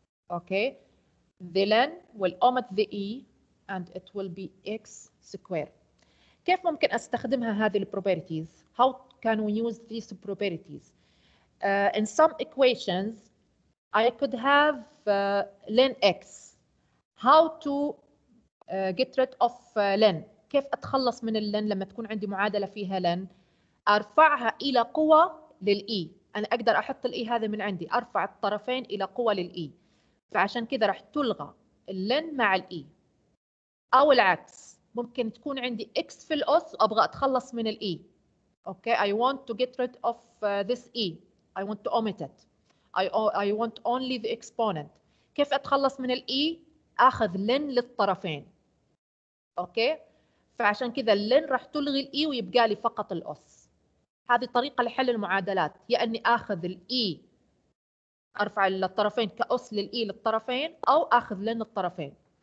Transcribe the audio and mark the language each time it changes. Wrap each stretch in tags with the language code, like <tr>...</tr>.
<en>Okay. The ln will omit the e and it will be x square.</en> <ar>كيف ممكن استخدمها هذه البروبرتيز؟</ar> <en>How can we use these properties? In some equations, I could have ln x. How to get rid of ln?</en> <ar>كيف اتخلص من ln لما تكون عندي معادلة فيها ln؟ ارفعها الى قوة للe. أنا أقدر أحط الإي هذا من عندي، أرفع الطرفين إلى قوة للإي، فعشان كذا راح تلغى اللن مع الإي. أو العكس، ممكن تكون عندي إكس في الأس وأبغى أتخلص من الإي.</ar> <en>Okay, I want to get rid of this E. I want to omit it. I want only the exponent.</en> <ar>كيف أتخلص من الإي؟ أخذ لن للطرفين. أوكي، فعشان كذا اللن راح تلغي الإي ويبقى لي فقط الأس. هذه طريقة لحل المعادلات، يا أني أخذ الإي أرفع للطرفين كأس للإي للطرفين، أو أخذ لن الطرفين.</ar>